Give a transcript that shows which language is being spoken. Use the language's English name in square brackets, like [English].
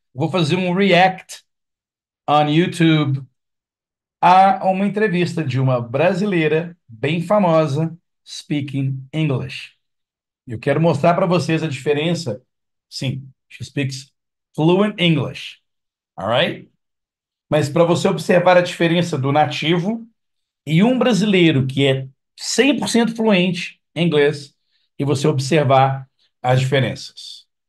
[Portuguese] Vou fazer um react on YouTube a uma entrevista de uma brasileira bem famosa [English] speaking English. [Portuguese] Eu quero mostrar para vocês a diferença. [English] Sim, she speaks fluent English. All right? [Portuguese] Mas para você observar a diferença do nativo e um brasileiro que é 100% fluente em inglês e você observar as diferenças.